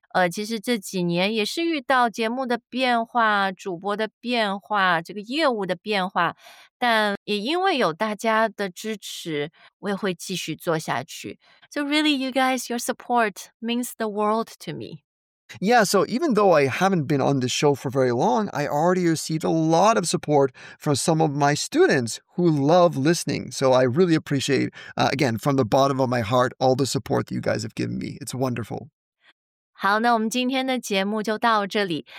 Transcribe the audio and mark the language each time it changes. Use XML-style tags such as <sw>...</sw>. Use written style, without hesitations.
<zh>其实这几年也是遇到节目的变化、主播的变化、这个业务的变化，但也因为有大家的支持，我也会继续做下去。</zh> <en>So really, you guys, your support means the world to me. Yeah, so even though I haven't been on the show for very long, I already received a lot of support from some of my students who love listening. So I really appreciate, again, from the bottom of my heart, all the support that you guys have given me. It's wonderful.</en> <zh>好，那我们今天的节目就到这里。</zh>